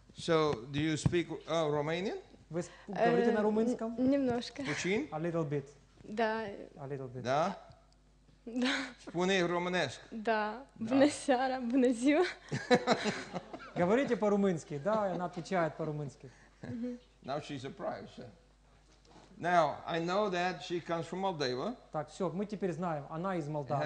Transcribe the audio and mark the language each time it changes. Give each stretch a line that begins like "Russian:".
English: So, do you speak Romanian?
Russian: Вы говорите на румынском? Немножко.
Romanian: Puțin?
English: A little bit.
Russian: Да.
English: A little bit.
Russian: Да. Да.
Romanian: Спуни румынеск.
Russian: Да.
Romanian: Бună seara, bună ziua.
Russian: Говорите по-румынски, да, и она отвечает по-румынски.
English: Now she's surprised. Now, I know that she comes from Moldova.
Russian: Так, все, мы теперь знаем, она из Молдавии.